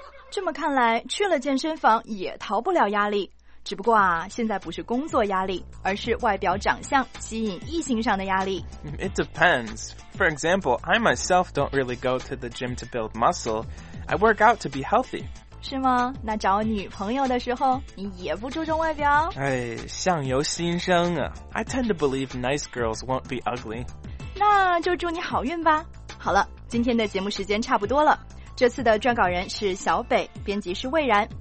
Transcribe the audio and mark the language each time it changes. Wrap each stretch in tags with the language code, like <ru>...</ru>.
<zh>这么看来，去了健身房也逃不了压力。只不过啊，现在不是工作压力，而是外表长相吸引异性上的压力。</zh> <en>It depends. For example, I myself don't really go to the gym to build muscle. I work out to be healthy.</en> <zh>是吗？那找女朋友的时候，你也不注重外表？哎，相由心生啊。</zh> <en>I tend to believe nice girls won't be ugly.</en> <zh>那就祝你好运吧。好了，今天的节目时间差不多了。这次的撰稿人是小北，编辑是魏然。</zh>